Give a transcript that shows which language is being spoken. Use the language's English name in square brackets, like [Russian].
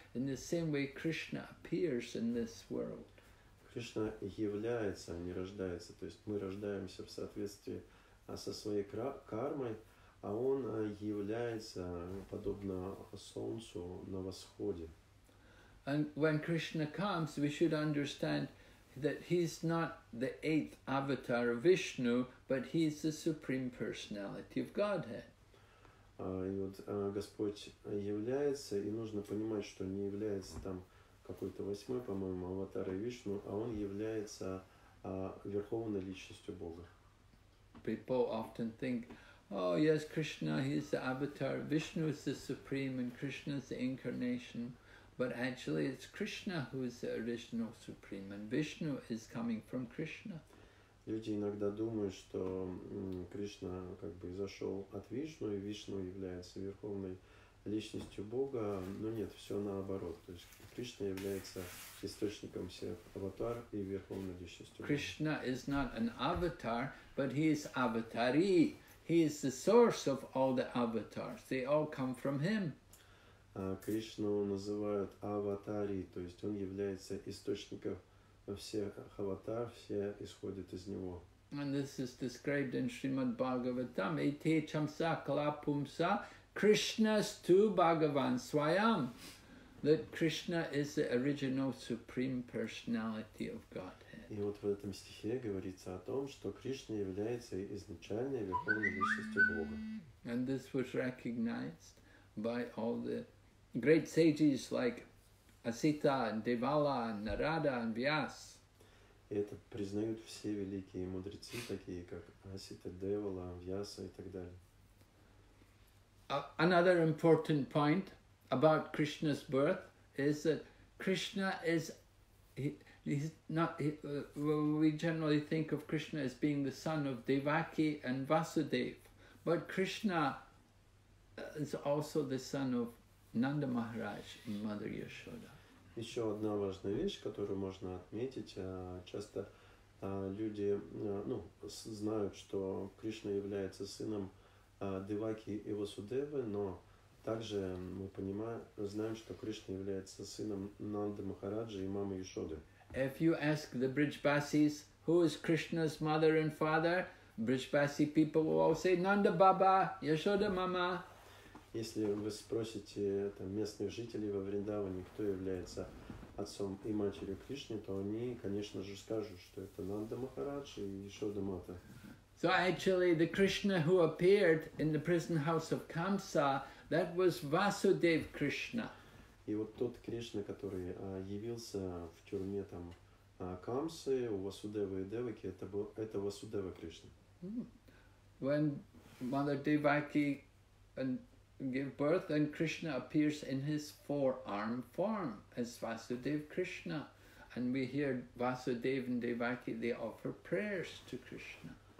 [English] In the same way Krishna appears in this world. [Russian] Кришна является, а не рождается. То есть мы рождаемся в соответствии со своей кармой, а он является подобно солнцу на восходе. [English] And when Krishna comes, we should understand that he's not the eighth avatar of Vishnu, but he's the supreme personality of Godhead. [Russian] И вот Господь является, и нужно понимать, что он не является там какой-то восьмой, по-моему, аватарой Вишну, а он является верховной личностью Бога. [English] people often think, oh yes, Krishna, he's the avatar, Vishnu is the supreme and Krishna is the incarnation. But actually it's Krishna who is the original supreme and Vishnu is coming from Krishna. [Russian] Люди иногда думают, что Кришна как бы зашел от Вишну, и Вишну является верховной личностью Бога, но нет, все наоборот. То есть Кришна является источником всех аватар и верховной личностью Бога. [English] Krishna is not an avatar, but he is avatari. He is the source of all the avatars. They all come from him. [Russian] Кришну называют аватари, то есть он является источником всех аватар, все исходят из него. [English] And this is described in Srimad Bhagavatam. [Sanskrit] Ite chamsa kalapumsa Krishna's tu Bhagavan Swayam. [English] That Krishna is the original supreme personality of Godhead. [Russian] И вот в этом стихе говорится о том, что Кришна является изначальной верховной личностью Бога. [English] And this was recognized by all the great sages like Asita, Devala, Narada, and Vyas. [Russian] Это признают все великие мудрецы, такие как Асита, Девала, Вьяса и так далее. [English] Another important point about Krishna's birth is that Krishna is, we generally think of Krishna as being the son of Devaki and Vasudev, but Krishna is also the son of Nanda Maharaj and Mother Yashoda. [Russian] Еще одна важная вещь, которую можно отметить, часто люди ну, знают, что Кришна является сыном Деваки и Васудевы, но также мы понимаем, знаем, что Кришна является сыном Нанды Махараджи и мамы Яшоды. [English] If you ask the Brijbasis, who is Krishna's mother and father, Brijbasi people will all say Nanda Baba, Yashoda Mama. [Russian] Если вы спросите там, местных жителей во Вриндаване, кто является отцом и матерью Кришны, то они, конечно же, скажут, что это Нанда Махарадж и Яшода Мата. [English] So actually, the Krishna who appeared in the prison house of Kamsa, that was Vasudev Krishna. [Russian] И вот тот Кришна, который явился в тюрьме там Камсы у Васудевы и Девыки, это Васудева Кришна. [English] When Mother Devaki and give birth and Krishna appears in his four-arm form as Vasudev Krishna. And we hear Vasudev and Devaki, they offer prayers to Krishna.